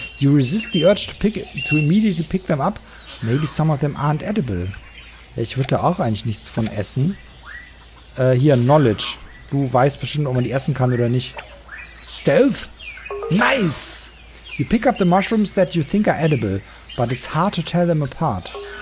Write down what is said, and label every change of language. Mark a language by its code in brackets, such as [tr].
[en] You resist the urge to immediately pick them up. Maybe some of them aren't edible. [de] Ja, ich würde da auch eigentlich nichts von essen. Hier, Knowledge. Du weißt bestimmt, ob man die essen kann oder nicht. [en] Stealth? Nice! You pick up the mushrooms that you think are edible, but it's hard to tell them apart.